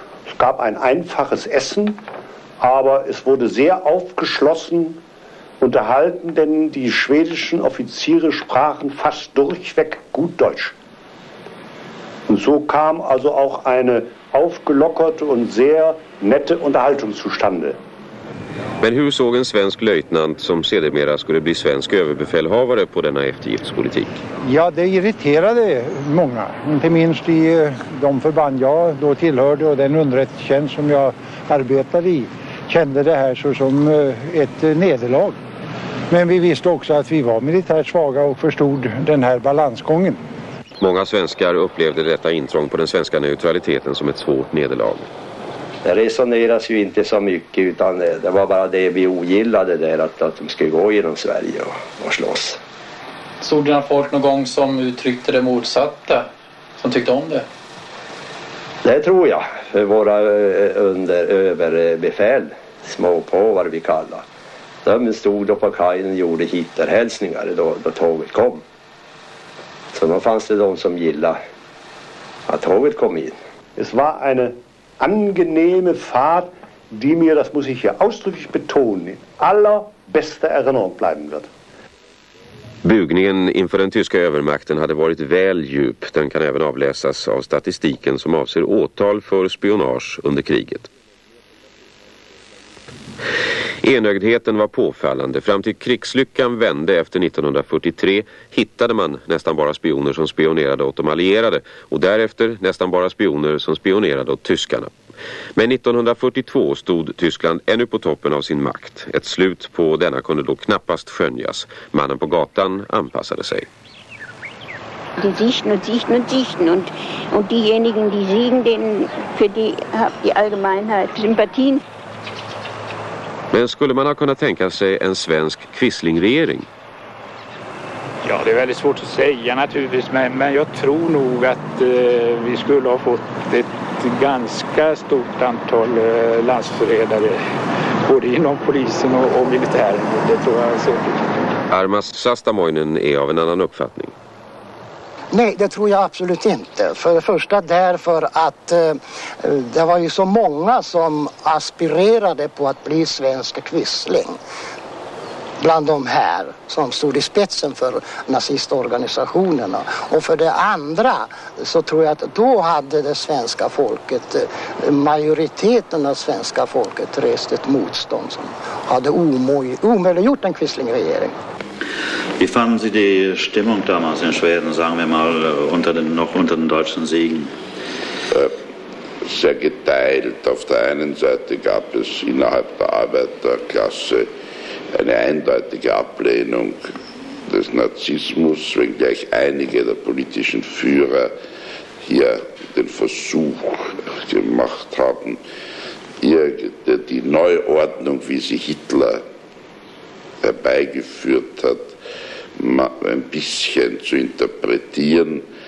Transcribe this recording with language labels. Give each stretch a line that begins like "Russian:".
German: Es gab ein einfaches Essen, aber es wurde sehr aufgeschlossen unterhalten, denn die schwedischen Offiziere sprachen fast durchweg gut Deutsch. Und so kam also auch eine aufgelockerte und sehr nette Unterhaltung zustande.
Swedish: Men hur såg en svensk löjtnant som sedermera skulle bli svensk överbefälhavare på denna eftergiftspolitik? Ja, det irriterade många, inte minst i de förband jag då tillhörde och den underrättelsetjänst som jag arbetade i, kände det här som ett nederlag. Men vi visste också att vi var militärt svaga och förstod den här balansgången. Många svenskar upplevde detta intrång på den svenska neutraliteten som ett svårt nederlag. Det resoneras ju inte så mycket, utan det var bara det vi ogillade där, att de skulle gå genom Sverige och slåss. Såg dina folk någon gång som uttryckte det motsatta, som tyckte om det? Det tror jag. Våra överbefäl, småpåvar vi kallar. De stod på kajen och gjorde hitterhälsningar då tåget kom. Så då fanns det de som gillade att tåget kom in. Det var en
German: angenehme Fahrt, die mir, das muss ich hier ausdrücklich betonen, in allerbester Erinnerung bleiben wird.
Swedish: Bugningen inför den tyska övermakten hade varit väl djup. Den kan även avläsas av statistiken som avser åtal för spionage under kriget. Enögdheten var påfallande. Fram till krigslyckan vände efter 1943 hittade man nästan bara spioner som spionerade åt de allierade och därefter nästan bara spioner som spionerade åt tyskarna. Men 1942 stod Tyskland ännu på toppen av sin makt. Ett slut på denna kunde då knappast skönjas. Mannen på gatan anpassade sig.
German: Die sichten und sichten und sichten und diejenigen, die siegen, den für die Allgemeinheit Sympathien.
Swedish: Men skulle man ha kunnat tänka sig en svensk quislingregering? Ja, det är väldigt svårt att säga naturligtvis, men jag tror nog att vi skulle ha fått ett ganska stort antal landsförrädare både inom polisen och militären. Det tror jag säkert. Armas Sastamoinen är av en annan uppfattning. Nej, det tror jag absolut inte. För det första därför att det var ju så många som aspirerade på att bli svensk quisling. Bland de här som stod i spetsen för nazistorganisationerna. Och för det andra så tror jag att då hade det svenska folket, majoriteten av svenska folket, rest ett motstånd som hade omöjliggjort en quislingregering.
German: Wie fanden Sie die Stimmung damals in Schweden, sagen wir mal, unter den deutschen Siegen? Sehr geteilt. Auf der einen Seite gab es innerhalb der Arbeiterklasse eine eindeutige Ablehnung des Nazismus, wenngleich einige der politischen Führer hier den Versuch gemacht haben, die Neuordnung, wie sie Hitler herbeigeführt hat, ein bisschen zu interpretieren.